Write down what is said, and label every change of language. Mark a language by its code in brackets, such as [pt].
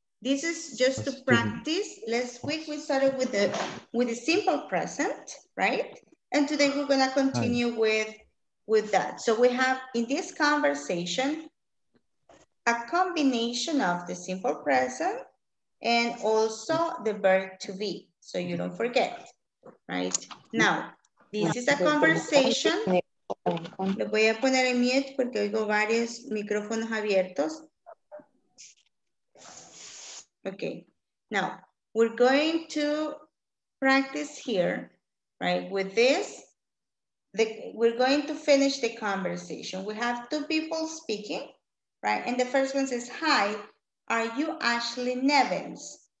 [en] This is just to practice. Last week we started with a simple present, right? And today we're gonna continue with that. So we have in this conversation, a combination of the simple present and also the verb to be. So you don't forget, right? Now, this is a conversation. [es] Le voy a poner en mute porque oigo varios micrófonos abiertos. [en] Okay, now we're going to practice here, right? With this, we're going to finish the conversation. We have two people speaking, right? And the first one says, hi, are you Ashley Nevins?